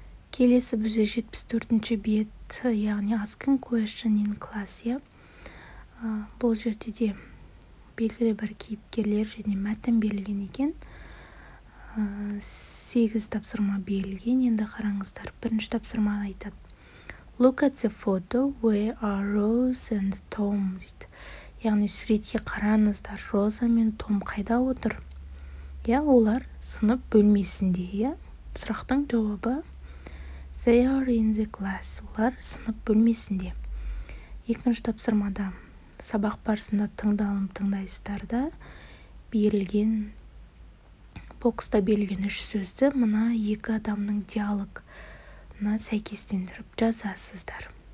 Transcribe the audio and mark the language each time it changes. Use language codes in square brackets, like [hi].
[kk] Келесі бізде 74-ші бет, яғни [en] asking question in class. [kk] Бұл жерде де белгілі бір кейіпкерлер және мәтін берілген екен. 8 тапсырма берілген, енді қараңыздар. Бірінші тапсырма айтады. [en] Look at the photo, where are Rose and Tom? [kk] Дейді. Яғни суретке қараңыздар, Роза мен Том қайда отыр? Олар сынып бөлмесінде. Сұрақтың жауабы. [en] They are in the class. [kk] Олар сынып бөлмесінде. Екінші тапсырмада сабақ барысында тыңдайсыздарда берілген бокста берілген үш сөзді мына екі адамның диалогына сәйкестендіріп жазасыздар.